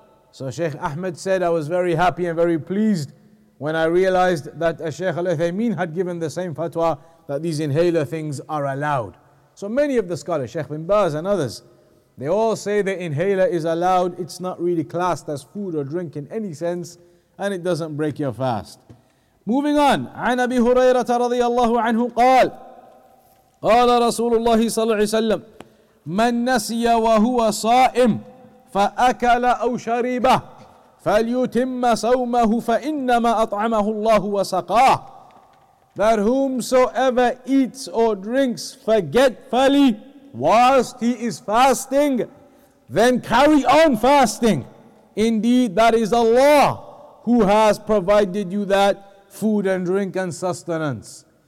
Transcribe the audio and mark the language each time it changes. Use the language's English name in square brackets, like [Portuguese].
[English] So Shaykh Ahmed said, I was very happy and very pleased when I realized that a Shaykh Al Uthaymeen had given the same fatwa that these inhaler things are allowed. So many of the scholars, Shaykh bin Baz and others, they all say the inhaler is allowed. It's not really classed as food or drink in any sense, and it doesn't break your fast. Moving on. [Arabic] عن أبي هريرة رضي الله عنه قال قال رسول الله صلى الله عليه وسلم من نسي وهو صائم فأكل أو شرب فليتم صومه فإنما أطعمه الله وسقاه. [English] That whomsoever eats or drinks forgetfully whilst he is fasting, then carry on fasting. Indeed, that is Allah who has provided you that food and drink and sustenance.